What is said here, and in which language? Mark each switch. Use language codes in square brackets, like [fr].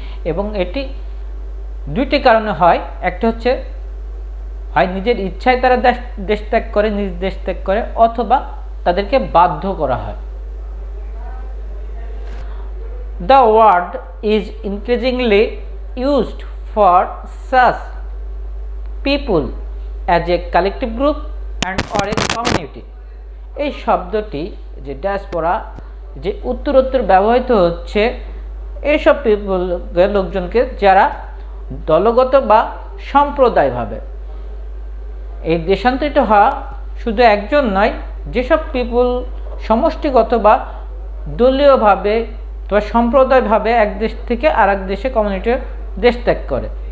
[bn] এবং এটি দুইটি কারণে হয়, একটি হচ্ছে হয় নিজের ইচ্ছায় তারা দেশ ত্যাগ করে, নিজ দেশ ত্যাগ করে, অথবা তাদেরকে বাধ্য করা হয়। [en] The word is increasingly used for such people as a collective group and or a community. [bn] এই শব্দটি যে ডায়াসপোরা যে উত্তরোত্তর ব্যবহৃত হচ্ছে এইসব পিপুল লোকজনকে যারা দলগত বা সম্প্রদায়ভাবে এই দেশান্তরিত হওয়া শুধু একজন নয়, যেসব পিপুল সমষ্টিগত বা দলীয়ভাবে তবে সম্প্রদায়ভাবে এক দেশ থেকে আরেক দেশে কমিউনিটি দেশ ত্যাগ করে।